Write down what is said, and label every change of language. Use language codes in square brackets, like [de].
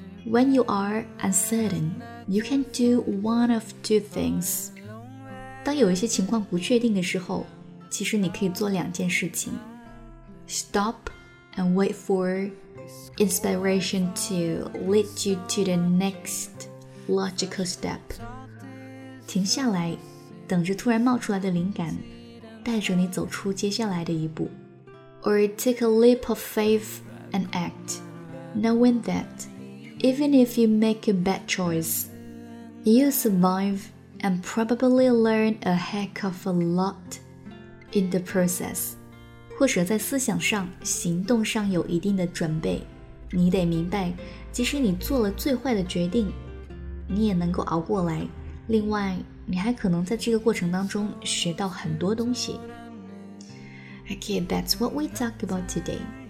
[en] When you are uncertain, you can do one of two things. [zh] 当有一些情况不确定的时候，其实你可以做两件事情。 [en] Stop and wait for inspiration to lead you to the next logical step. [zh] 停下来，等着突然冒出来的灵感，带着你走出接下来的一步。 [en] Or take a leap of faithAn act, knowing that even if you make a bad choice, you survive and probably learn a heck of a lot in the process. [zh] 或者在思想上、行动上有一定的准备，你得明白，即使你做了最坏的决定，你也能够熬过来。另外，你还可能在这个过程当中学到很多东西。 [en] Okay, that's what we talk about today.